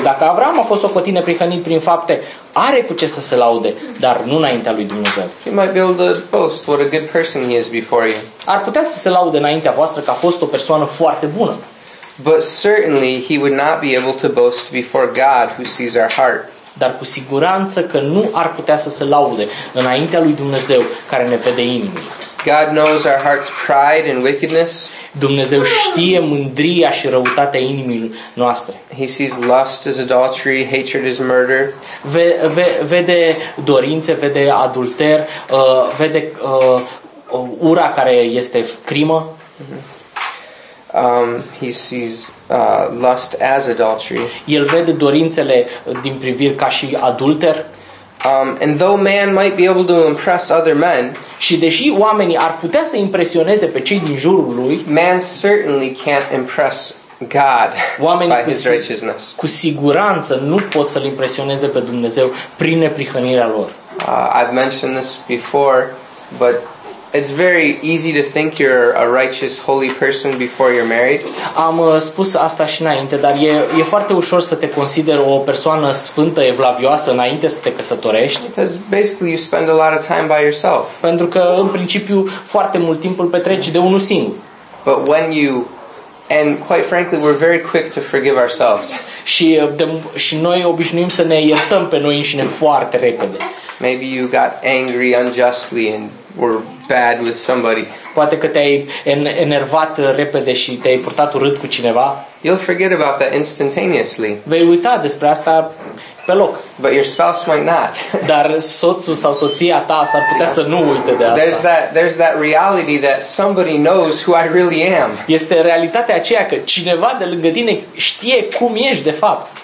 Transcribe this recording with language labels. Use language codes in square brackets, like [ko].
[ro] Dacă Avraam a fost socotit neprihănit prin fapte, are cu ce să se laude, dar nu înaintea lui Dumnezeu. [en] He might be able to boast what a good person he is before you. [ro] Ar putea să se laude înaintea voastră că a fost o persoană foarte bună. [en] But certainly he would not be able to boast before God who sees our heart. [ro] Dar cu siguranță că nu ar putea să se laude înaintea lui Dumnezeu care ne vede inimile. [en] God knows our heart's pride and wickedness. [ro] Dumnezeu știe mândria și răutatea inimii noastre. [en] He sees lust as adultery, hatred as murder. [ro] Vede dorințe, vede adulter, vede ura care este crimă. [en] He sees lust as adultery. [ro] El vede dorințele din priviri ca și adulter. [en] And though man might be able to impress other men, [ro] și deși oamenii ar putea să impresioneze pe cei din jurul lui, [en] man certainly can't impress God by his righteousness. [ro] Cu siguranță nu pot să-l impresioneze pe Dumnezeu prin neprihănirea lor. [en] I've mentioned this before, but it's very easy to think you're a righteous, holy person before you're married. [ro] Am spus asta și înainte, dar e foarte ușor să te consideri o persoană sfântă, evlavioasă, înainte să te căsătorești. [en] Because basically you spend a lot of time by yourself. [ro] Pentru că, în principiu, foarte mult timp îl petreci de unul singur. [en] But when you And quite frankly, we're very quick to forgive ourselves. [ro] Și noi obișnuim să ne iertăm pe noi înșine foarte repede. [en] Maybe you got angry unjustly and were bad with somebody. [ro] Poate că te-ai enervat repede și te-ai purtat urât cu cineva. [en] You'll forget about that instantaneously. [ro] Vei uita despre asta pe loc. [en] But your spouse might not. [ro] Dar soțul sau soția ta s-ar putea să nu uite de asta. [en] There's that reality that somebody knows who I really am. [ro] Este realitatea aceea că cineva de lângă tine știe cum ești de fapt.